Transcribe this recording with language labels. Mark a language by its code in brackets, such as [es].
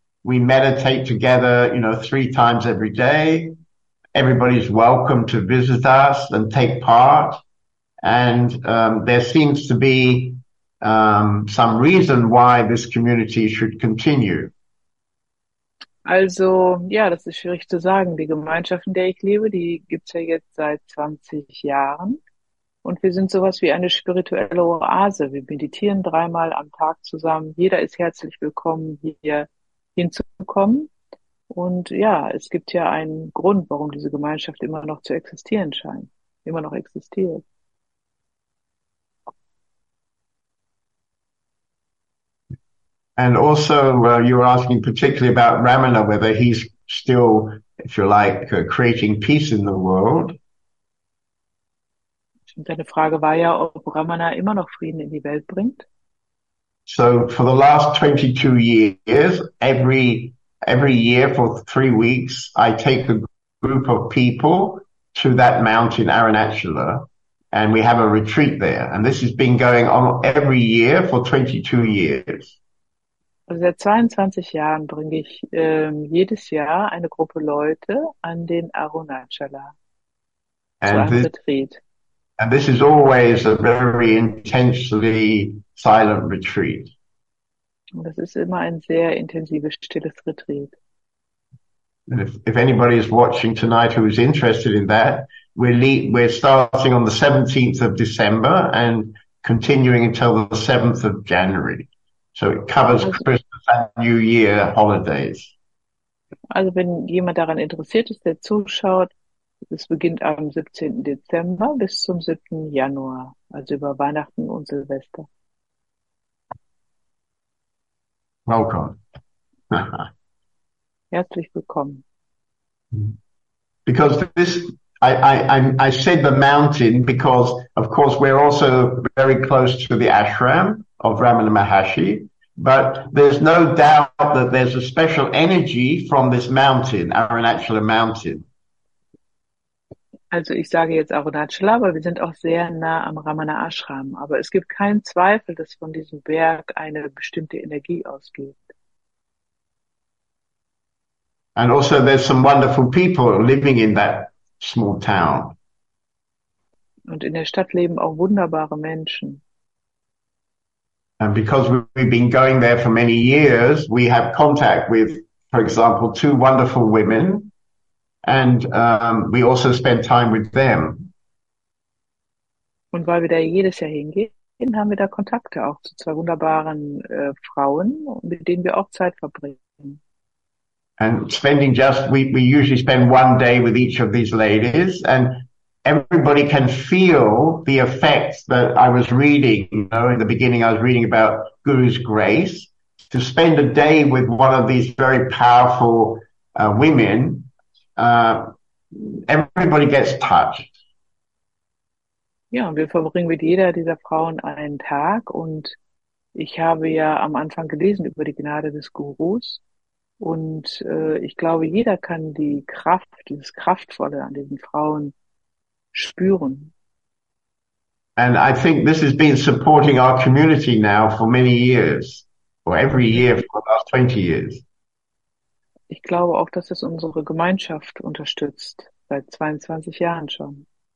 [en] We meditate together, you know, 3 times every day. Everybody's welcome to visit us and take part. And there seems to be some reason why this community should continue. [de] Also, ja, das ist schwierig zu sagen. Die Gemeinschaft, in der ich lebe, die gibt's ja jetzt seit 20 Jahren. Und wir sind sowas wie eine spirituelle Oase. Wir meditieren 3-mal am Tag zusammen. Jeder ist herzlich willkommen, hier hinzukommen. Und ja, es gibt ja einen Grund, warum diese Gemeinschaft immer noch zu existieren scheint, immer noch existiert. [en] And also, you were asking particularly about Ramana, whether he's still, if you like, creating peace in the world. [de] Und deine Frage war ja, ob Ramana immer noch Frieden in die Welt bringt. [en] So for the last 22 years, every year for 3 weeks, I take a group of people to that mountain, Arunachala, and we have a retreat there. And this has been going on every year for 22 years. [de] Also seit 22 Jahren bringe ich jedes Jahr eine Gruppe Leute an den Arunachala zu einem Retreat. [en] And this is always a very intensely silent retreat. [de] Und das ist immer ein sehr intensives, stilles Retreat. [en] And if anybody is watching tonight who is interested in that, we're starting on the 17th of December and continuing until the 7th of January. So it covers Christmas and New Year holidays. [de] Also wenn jemand daran interessiert ist, der zuschaut, es beginnt am 17. Dezember bis zum 7. Januar, also über Weihnachten und Silvester. [en] Welcome. [de] Herzlich willkommen. [en] Because this, I said the mountain because, of course, we're also very close to the ashram of Ramana Maharshi. But there's no doubt that there's a special energy from this mountain, Arunachala Mountain. [de] Also ich sage jetzt Arunachala, aber wir sind auch sehr nah am Ramana Ashram. Aber es gibt keinen Zweifel, dass von diesem Berg eine bestimmte Energie ausgeht. [en] And also there's some wonderful people living in that small town. [de] Und in der Stadt leben auch wunderbare Menschen. [en] And because we've been going there for many years, we have contact with, for example, two wonderful women, and we also spend time with them. [de] Und weil wir da jedes Jahr hingehen, haben wir da Kontakte auch zu zwei wunderbaren Frauen, mit denen wir auch Zeit verbringen. [en] And spending just, we usually spend one day with each of these ladies, and everybody can feel the effects that I was reading, you know, in the beginning I was reading about Guru's grace. To spend a day with one of these very powerful women, everybody gets touched. [de] Ja, wir verbringen mit jeder dieser Frauen einen Tag und ich habe ja am Anfang gelesen über die Gnade des Gurus und ich glaube, jeder kann die Kraft, dieses Kraftvolle an diesen Frauen spüren. [en] And I think this has been supporting our community now for many years, or every year for the last 20 years. [de] Ich glaube auch, dass es unsere Gemeinschaft unterstützt, seit 22 Jahren schon.